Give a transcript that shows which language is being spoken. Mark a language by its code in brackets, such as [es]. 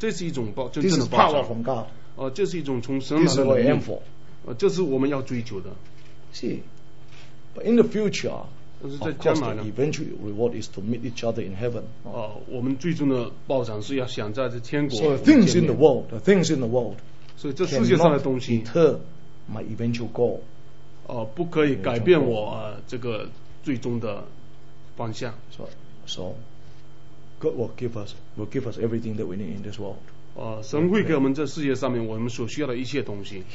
[zh] 但是他心里面有喜乐，这是一种报，真正的报酬。 [en] Power from God. [zh] 这是一种从神来的，这是我们要追求的。 [en] See, but in the future, [zh] 但是在将来呢, [en] of course, the eventual reward is to meet each other in heaven. [zh] 我们最终的报酬是要想在这天国。 [en] So things in the world, the things in the world, [zh] 所以这世界上的东西, [en] cannot deter my eventual goal. [zh] 不可以改变我 这个最终的方向。 [en] So God will give us everything that we need in this world. [zh] 神会给我们这世界上面我们所需要的一切东西。